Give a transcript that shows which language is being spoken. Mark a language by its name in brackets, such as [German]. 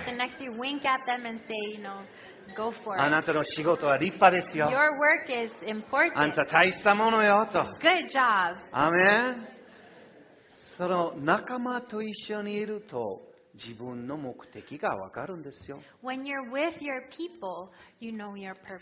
[English] Look at the person next to you, wink at them and say, you know, go for it. [Japanese] あなたの仕事は立派ですよ。 [English] Your work is important. [Japanese] あんた大したものよと。 [English] Good job. [Japanese] アメン。その仲間と一緒にいると自分の目的がわかるんですよ。 [English] When you're with your people, you know your purpose.